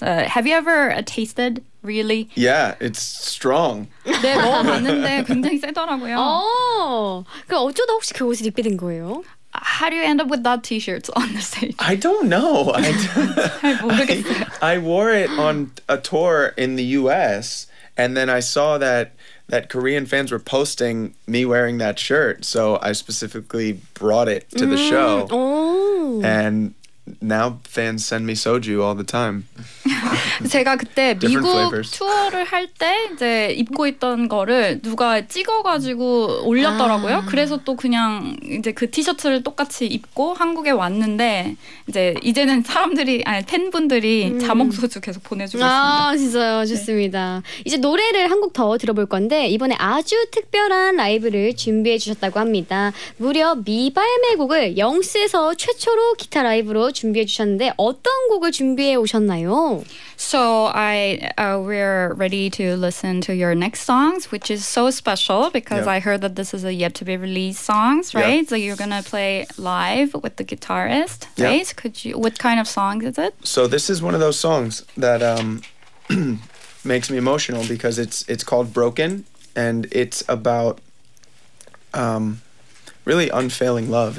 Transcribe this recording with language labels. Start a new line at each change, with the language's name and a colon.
English: Have you ever tasted really? Yeah, it's strong.
Korean: 네, 먹어봤는데 굉장히 세더라고요. 어, 그럼 어쩌다 혹시 그 옷을 입게 된 거예요?
English: How do you end up with that T-shirt on the stage? I don't know. I wore it on a tour in the U.S. and then I saw that. That Korean fans were posting me wearing that shirt, so I specifically brought it to the show. Oh. And now fans send me soju all the time.
Korean: 제가 그때 미국 투어를 할 때 이제 입고 있던 거를 누가 찍어가지고 올렸더라고요. 아. 그래서 또 그냥 이제 그 티셔츠를 똑같이 입고 한국에 왔는데 이제 이제는 사람들이 아니 팬분들이 자몽 소주 계속 보내주고 아, 있습니다. 아 진짜요, 좋습니다. 네. 이제 노래를 한 곡 더 들어볼 건데 이번에 아주 특별한 라이브를 준비해 주셨다고 합니다. 무려 미발매 곡을 영스에서 최초로 기타 라이브로 준비해 주셨는데 어떤 곡을 준비해 오셨나요?
English: So I we're ready to listen to your next songs, which is so special because yep. I heard that this is a yet to be released songs, right? Yep. So you're gonna play live with the guitarist, right? Yep. Could you? What kind of songs is it? So this is one of those songs that makes me emotional because it's called Broken, and it's about really unfailing love.